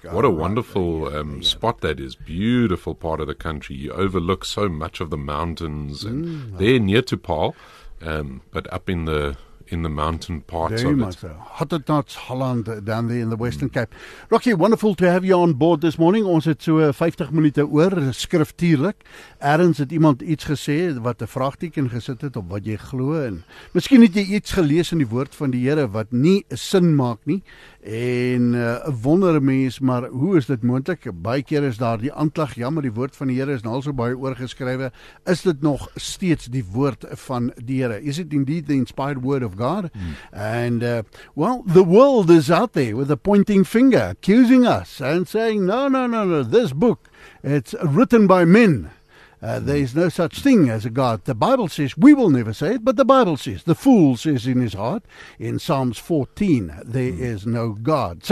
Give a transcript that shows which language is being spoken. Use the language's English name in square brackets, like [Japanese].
[English] Yeah. What a wonderful spot that is. Beautiful part of the country. You overlook so much of the mountains. And they're near to Paul, but up in the mountain parts very of much it. So. Hottentots, Holland, down there in the Western Cape. Rocky, wonderful to have you on board this morning. [Afrikaans] Ons het so 50 minute oor, skriftuurlik. Erens het iemand iets gesê, wat 'n vraagteken gesit het op wat jy glo. En miskien het jy iets gelees in die woord van die Here wat nie sin maak nie. En wonder mens, maar hoe is dit moontlik? Baie keer is daar die aanklag, jammer, die woord van die Here is nou al so baie oorgeskrywe. Is dit nog steeds die woord van die Here? [English] Is it indeed the inspired word of God? And the world is out there with a pointing finger accusing us and saying, no, this book, it's written by men. There is no such thing as a God. The Bible says, we will never say it, but the Bible says, the fool says in his heart, in Psalms 14, there is no God.